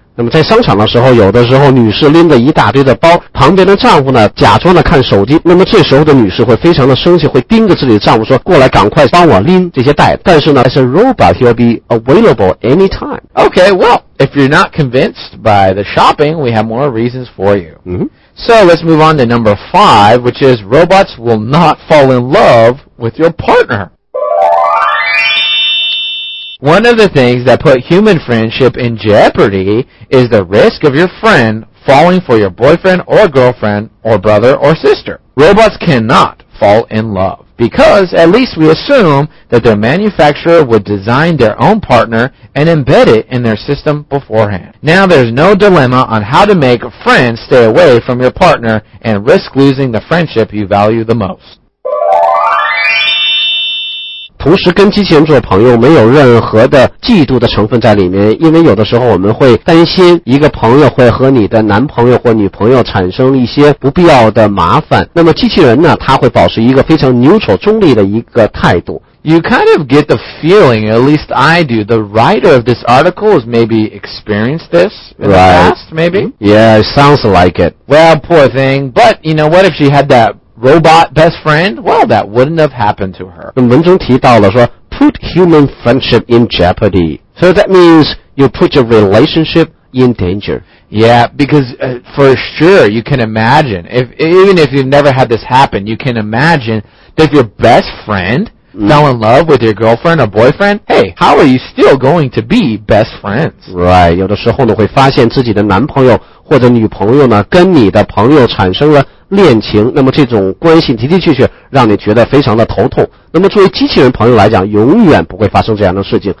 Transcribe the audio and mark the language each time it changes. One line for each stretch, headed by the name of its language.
Chinese: 那么在商场的时候，有的时候女士拎着一大堆的包，旁边的丈夫呢假装的看手机，那么这时候的女士会非常的生气，会盯着自己的丈夫说，过来赶快帮我拎这些袋子。但是呢
English: as a robot, he'll be available anytime. Okay, well, if you're not convinced by the shopping, we have more reasons for you. So let's move on to number 5, which is robots will not fall in love with your partner. One of the things that put human friendship in jeopardy is the risk of your friend falling for your boyfriend or girlfriend or brother or sister. Robots cannot fall in love because at least we assume that their manufacturer would design their own partner and embed it in their system beforehand. Now there's no dilemma on how to make friends stay away from your partner and risk losing the friendship you value the most.
Chinese: 同时跟机器人做朋友没有任何的嫉妒的成分在里面，因为有的时候我们会担心一个朋友会和你的男朋友或女朋友产生一些不必要的麻烦，那么机器人呢，它会保持一个非常neutral中立的一个态度。
English: You kind of get the feeling, at least I do, the writer of this article has maybe experienced this in the past, maybe? Yeah, it sounds like it. Well, poor thing, but you know what, if she had thatRobot best friend? Well, that wouldn't have happened to her.
Chinese: 文中提到了说
English: put human friendship in jeopardy. So that means you put your relationship in danger. Yeah, because for sure you can imagine, even if you've never had this happen, you can imagine that if your best friend fell in love with your girlfriend or boyfriend, hey, how are you still going to be best friends? Right,
Chinese: 有的时候呢会发现自己的男朋友或者女朋友呢跟你的朋友产生了恋情，那么这种关系的的确确让你觉得非常的头痛。那么作为机器人朋友来讲，永远不会发生这样的事情。